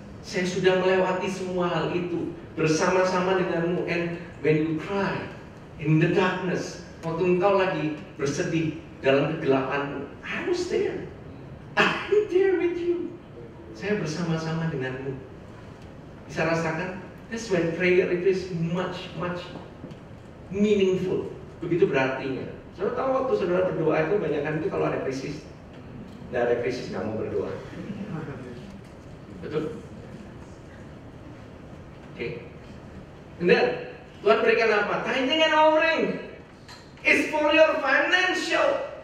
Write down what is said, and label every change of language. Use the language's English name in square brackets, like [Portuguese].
[Indonesian] Saya sudah melewati semua hal itu bersama-sama denganmu. [English] And when you cry in the darkness, [Indonesian] waktu engkau lagi bersedih dalam kegelapanmu, [English] I was there. I'm there with you. [Indonesian] Saya bersama-sama denganmu. Bisa rasakan? [English] That's when prayer it is much, much meaningful. [Indonesian] Begitu berartinya. Saudara tahu waktu saudara berdoa itu banyakkan itu kalau ada krisis. Nggak ada krisis, nggak mau berdoa. Betul? [English] Okay. And then, [Indonesian] Tuhan berikan apa? [English] Tithing and offering is for your financial.